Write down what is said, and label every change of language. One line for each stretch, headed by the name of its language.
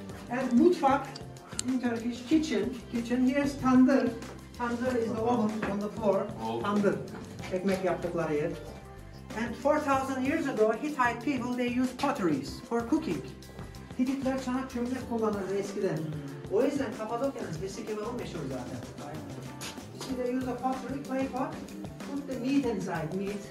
English: And mutfak, in Turkish, kitchen, here's tandır. Tandır is the oven on the floor. Oh.
Turkish: Tandır. Ekmek yaptıkları yer.
English: And 4,000 years ago, Hittite people, they used potteries for cooking.
Turkish: Hititler çanak çömlek kullanırdı eskiden. O yüzden Kapadokya'nın sesi gibi o meşhur zaten.
English: See, they use a pottery, clay pot, put the meat inside, meat.